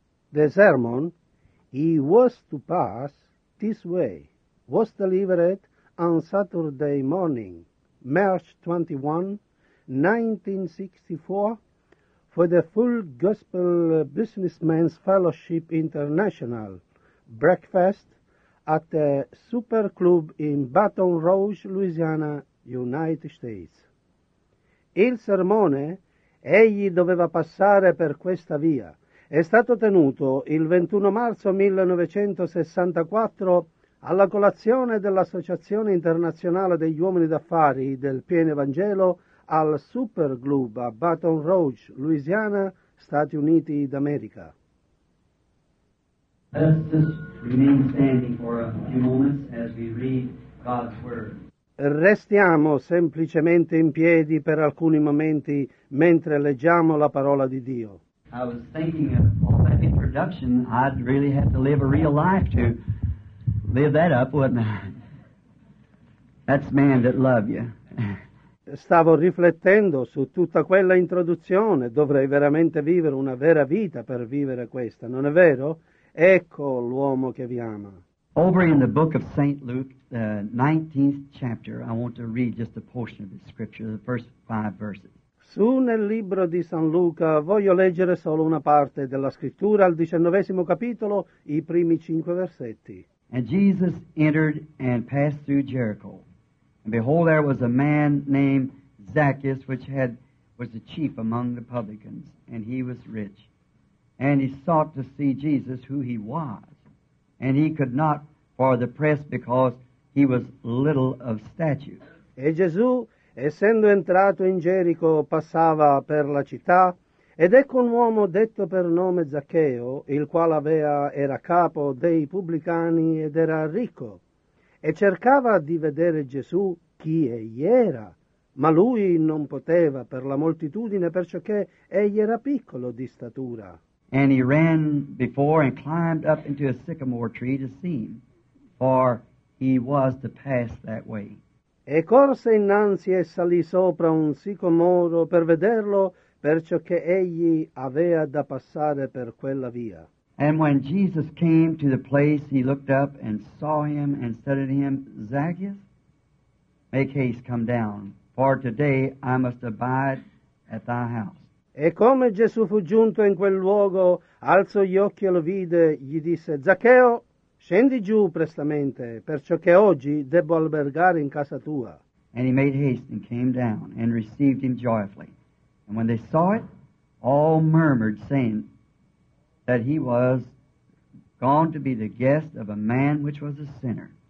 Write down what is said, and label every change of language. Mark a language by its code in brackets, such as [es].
[en] The sermon, he was to pass this way, was delivered on Saturday morning, March 21, 1964, for the Full Gospel Businessmen's Fellowship International breakfast at the Super Club in Baton Rouge, Louisiana, United States. [it] Il sermone, egli doveva passare per questa via, è stato tenuto il 21 marzo 1964 alla colazione dell'Associazione Internazionale degli Uomini d'Affari del Pieno Evangelo al Super Club a Baton Rouge, Louisiana, Stati Uniti d'America. [en] Let us remain standing for a few moments as we read God's Word. [it] Restiamo semplicemente in piedi per alcuni momenti mentre leggiamo la parola di Dio. [en] I was thinking of all that introduction, I'd really have to live a real life to live that up, wouldn't I? That's man that loved you. [it] Stavo riflettendo su tutta quella introduzione, dovrei veramente vivere una vera vita per vivere questa, non è vero? Ecco l'uomo che vi ama. [en] Over in the book of St. Luke, the 19th chapter, I want to read just a portion of the scripture, the first five verses. [it] Su nel libro di San Luca voglio leggere solo una parte della scrittura, al 19° capitolo, i primi 5 versetti. [en] And Jesus entered and passed through Jericho. And behold, there was a man named Zacchaeus, which was the chief among the publicans, and he was rich. And he sought to see Jesus, who he was. And he could not for the press, because he was little of stature. [it] E Gesù, essendo entrato in Gerico, passava per la città, ed ecco un uomo detto per nome Zaccheo, il quale era capo dei pubblicani ed era ricco, e cercava di vedere Gesù chi egli era, ma lui non poteva per la moltitudine, perciò che egli era piccolo di statura. [en] And he ran before and climbed up into a sycamore tree to see him, for he was to pass that way. [it] E corse innanzi e salì sopra un sicomoro per vederlo, perciò che egli aveva da passare per quella via. [en] And when Jesus came to the place, he looked up and saw him and said to him, Zacchaeus, make haste, come down, for today I must abide at thy house. [it] E come Gesù fu giunto in quel luogo, alzò gli occhi e lo vide, gli disse, Zaccheo, scendi giù prestamente, perciò che oggi debbo albergare in casa tua. [en] And he made haste and came down and received him joyfully. And when they saw it, all murmured, saying that he was gone to be the guest of a man which was a sinner.